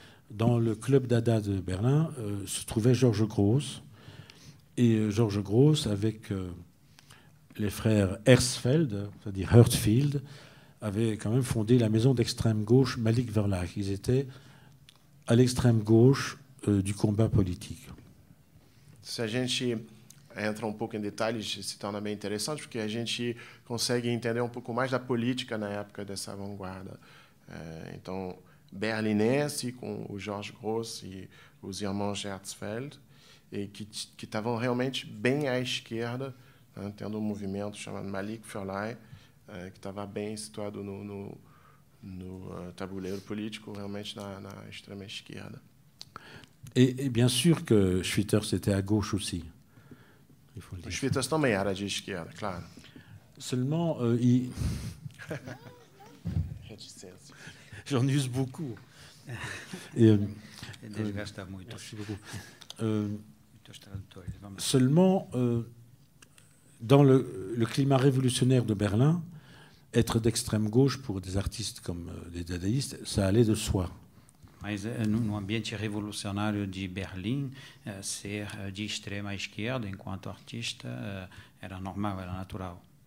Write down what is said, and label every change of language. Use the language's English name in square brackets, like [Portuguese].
[French] Dans le club Dada de Berlin se trouvait Georges Grosse. Et Georges Grosse, avec les frères Hertzfeld, c'est-à-dire Hertzfeld, avaient quand même fondé la maison d'extrême gauche Malik Verlag. Ils étaient à l'extrême gauche du combat politique. [Portuguese] Si a gente entra um pouco em detalhes, se torna bem interessante, porque a gente consegue entender um pouco mais da política na época dessa vanguarda. Então, berlinense, com o Georges Grosse e os irmãos Hertzfeld, e que estavam realmente bem à esquerda, né, tendo um movimento chamado Malik Verlag, que estava bem situado no tabuleiro político, realmente na extrema esquerda. [French] Et bien sûr que Schwitters était à gauche aussi. Il faut le dire. [Portuguese] Schwitters também era de esquerda, claro. [French] Seulement, il... J'en use beaucoup. [Portuguese] Desgasta muito. [French] Merci beaucoup. Seulement, dans le climat révolutionnaire de Berlin, être d'extrême gauche pour des artistes comme les dadaïstes, ça allait de soi. [Portuguese] Mas no ambiente revolucionário de Berlim, ser de extrema esquerda enquanto artista era normal, era natural.